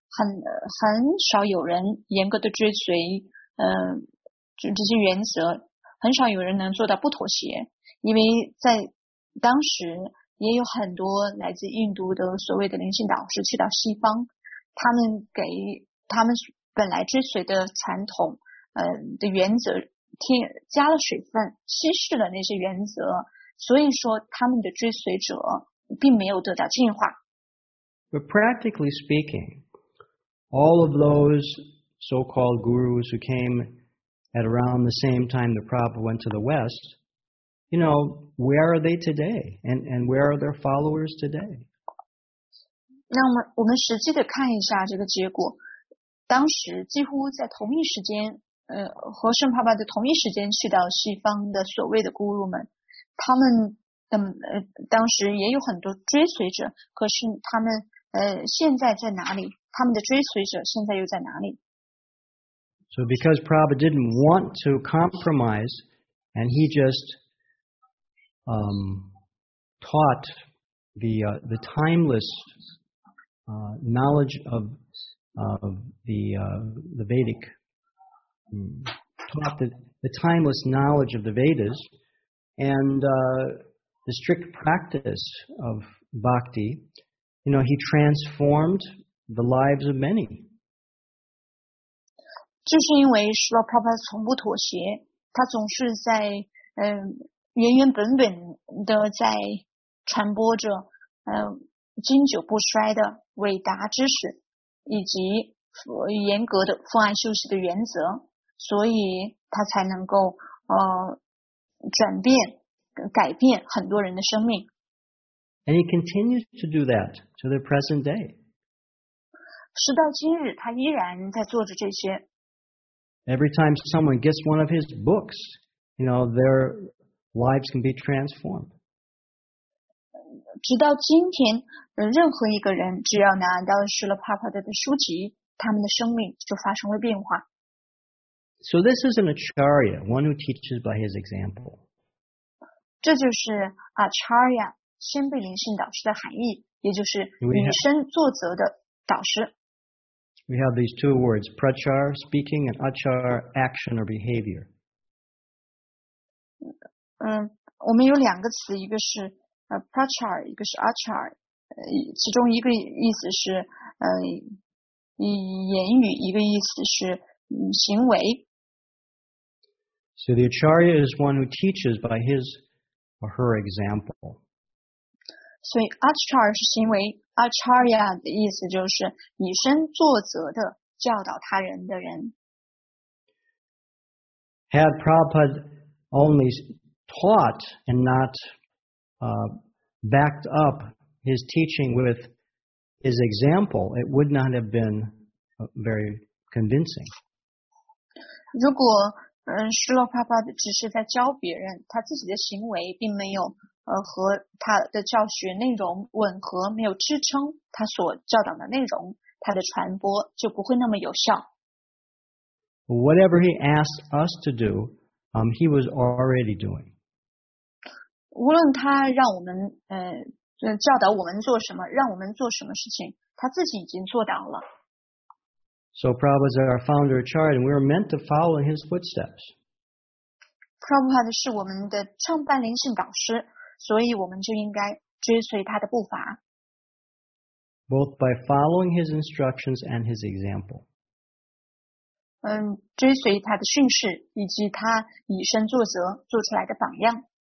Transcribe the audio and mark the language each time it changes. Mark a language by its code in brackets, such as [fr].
[zh] 很少有人严格的追随这些原则，很少有人能做到不妥协，因为在当时也有很多来自印度的所谓的灵性导师去到西方，他们给他们本来追随的传统的原则添加了水分，稀释了那些原则，所以说他们的追随者并没有得到进化。 [en] But practically speaking, all of those so-called gurus who came at around the same time the Prabhupada went to the West, you know, where are they today? And where are their followers today? [zh] 那我们实际的看一下这个结果。当时几乎在同一时间，和圣帕巴的同一时间去到西方的所谓的 guru 们，他们当时也有很多追随者，可是他们现在在哪里？他们的追随者现在又在哪里？ [en] So because Prabhupada didn't want to compromise, and he just taught the timeless knowledge of the Vedic, taught the timeless knowledge of the Vedas, and the strict practice of bhakti, you know, he transformed the lives of many. [zh] 就是因为 Srila Prabhupada 从不妥协，他总是在原原本本的在传播着经久不衰的伟大知识，以及严格的父爱休息的原则，所以他才能够转变改变很多人的生命。 [en] And he continues to do that to the present day. [zh] 直到今日他依然在做着这些。 [en] Every time someone gets one of his books, you know, their lives can be transformed. [zh] 直到今天任何一个人只要拿到施乐帕帕达的书籍，他们的生命就发生了变化。 [en] So this is an acharya, one who teaches by his example. [zh] 这就是 acharya, 先辈灵性导师的含义，也就是以身作则的导师。 [en] We have these two words, prachar, speaking, and achar, action or behavior. [zh] 我们有两个词，一个是prachar, 一个是 achar, 其中一个意思是以言语，一个意思是行为。 [en] So the acharya is one who teaches by his or her example. [zh] 所以 achar 是行为， acharya 的意思就是以身作则的教导他人的人。 [en] Had Prabhupada only taught and not backed up his teaching with his example, it would not have been very convincing. [zh] 如果施洛帕帕只是在教别人，他自己的行为并没有和他的教学内容吻合，没有支撑他所教导的内容，他的传播就不会那么有效。 [en] Whatever he asked us to do, he was already doing. [zh] 无论他让我们教导我们做什么，让我们做什么事情，他自己已经做到了。 [en] So Prabhupada is our founder acharya, and we are meant to follow in his footsteps. [zh] Prabhupada 是我们的创办灵性导师，所以我们就应该追随他的步伐。 [en] Both by following his instructions and his example. [zh] 追随他的训示，以及他以身作则做出来的榜样。